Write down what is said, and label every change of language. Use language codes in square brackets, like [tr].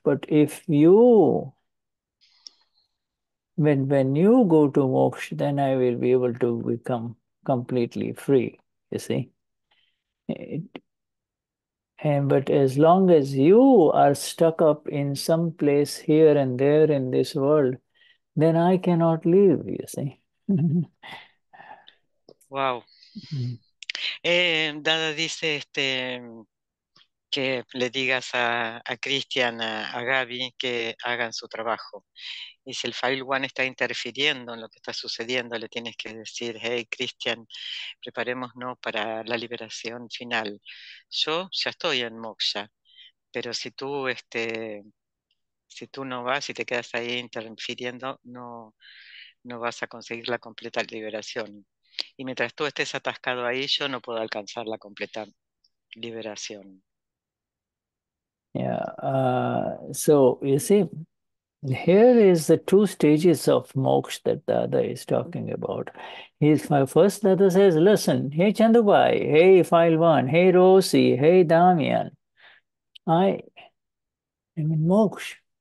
[en] But if you, when you go to moksha, then I will be able to become completely free, you see. But as long as you are stuck up in some place here and there in this world, then I cannot leave, you see. Wow. [es] Dada dice que le digas a Cristian, a Gaby, que hagan su trabajo. Y si el File One está interfiriendo en lo que está sucediendo, le tienes que decir, hey, Cristian, preparémonos para la liberación final. Yo ya estoy en moksha, pero si tú, si tú no vas y te quedas ahí interfiriendo, no vas a conseguir la completa liberación. Y mientras tú estés atascado ahí, yo no puedo alcanzar la completa liberación. [en] Yeah, so you see, here is the two stages of moksha that Dada is talking about. First Dada says, listen, hey Chandubai, hey File One, hey Rosi, hey Damian, I am in moksha.